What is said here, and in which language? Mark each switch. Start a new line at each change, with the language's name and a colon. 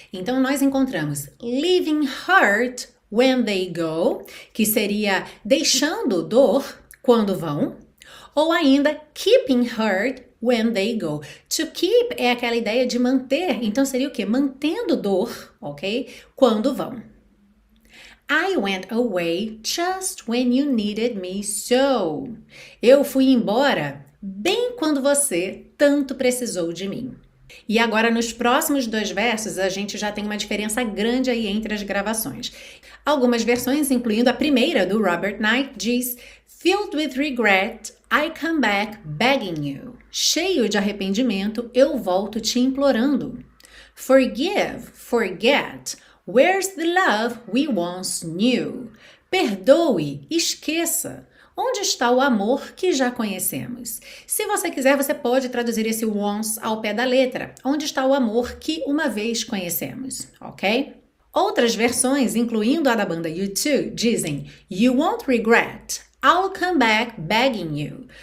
Portuguese: Então nós encontramos
English: leaving hurt when they go,
Portuguese: que seria deixando dor quando vão, ou ainda
English: keeping hurt when they go.
Portuguese: To keep é aquela ideia de manter, então seria o quê? Mantendo dor, ok? Quando vão.
English: I went away just when you needed me so.
Portuguese: Eu fui embora bem quando você tanto precisou de mim. E agora nos próximos dois versos a gente já tem uma diferença grande aí entre as gravações. Algumas versões, incluindo a primeira do Robert Knight, diz
English: filled with regret, I come back begging you.
Portuguese: Cheio de arrependimento, eu volto te implorando.
English: Forgive, forget, where's the love we once knew?
Portuguese: Perdoe, esqueça, onde está o amor que já conhecemos? Se você quiser, você pode traduzir esse once ao pé da letra. Onde está o amor que uma vez conhecemos, ok? Outras versões, incluindo a da banda U2, dizem
English: you won't regret, I'll come back begging you.